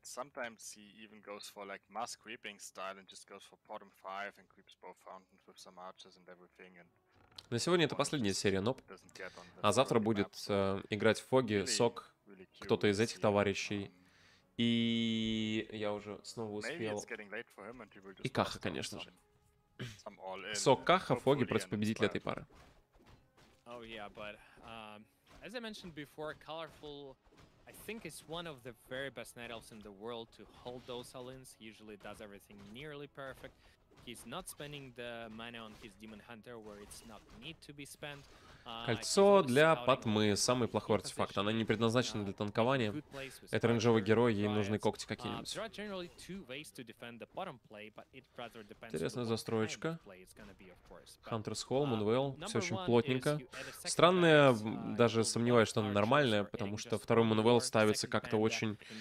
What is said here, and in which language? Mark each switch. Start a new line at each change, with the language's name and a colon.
English: Sometimes he even goes for like mass creeping style and just goes for Potom 5 and creeps both fountains with some archers and everything. And
Russian: на сегодня это последняя серия, но а завтра будет играть Фоги, Сок, кто-то из этих товарищей. И я уже снова успел. И Каха, конечно же. Сок Каха, Фоги против победителя этой пары.
English: Oh yeah, but as I mentioned before, Colorful, I think is one of the very best Night Elves in the world to hold those all-ins. Usually does everything nearly perfect. He's not spending the money on his Demon Hunter where it's not need to be spent.
Russian: Кольцо для Потмы — самый плохой артефакт. Она не предназначена для танкования. Это рейнджовый герой, ей нужны когти какие-нибудь. Интересная застроечка. Хантерс Холл, Мунвейл, все очень плотненько. Странная, даже сомневаюсь, что она нормальная, потому что второй Мунвейл ставится как-то очень...